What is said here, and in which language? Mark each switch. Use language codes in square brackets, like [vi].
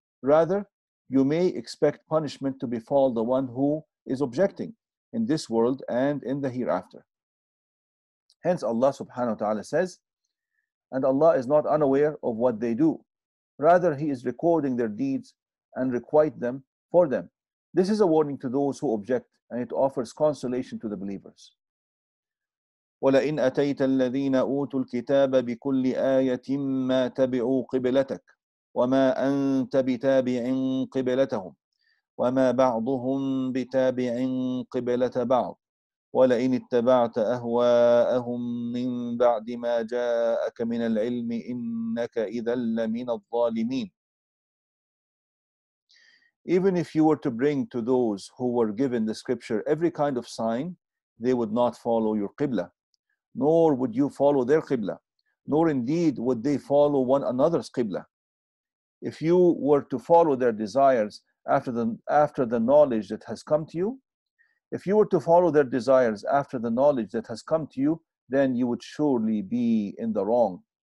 [en] Rather, you may expect punishment to befall the one who is objecting in this world and in the hereafter. Hence Allah subhanahu wa ta'ala says, and Allah is not unaware of what they do. Rather, He is recording their deeds and requite them for them. This is a warning to those who object, and it offers consolation to the believers. [ar] وَلَئِنْ أَتَيْتَ الَّذِينَ أُوتُوا الْكِتَابَ بِكُلِّ آيَةٍ مَا تَبِعُوا قِبْلَتَكَ وَمَا أَنْتَ بِتَابِعٍ قِبْلَتَهُمْ وَمَا بَعْضُهُمْ بِتَابِعٍ قِبْلَةَ بَعْضٍ ولئن اتبعت أهواءهم من بعد ما جاءك من العلم إنك إذا لمن الظالمين. [en] Even if you were to bring to those who were given the scripture every kind of sign, they would not follow your qibla, nor would you follow their qibla, nor indeed would they follow one another's qibla. If you were to follow their desires after the knowledge that has come to you, if you were to follow their desires after the knowledge that has come to you, then you would surely be in the wrong.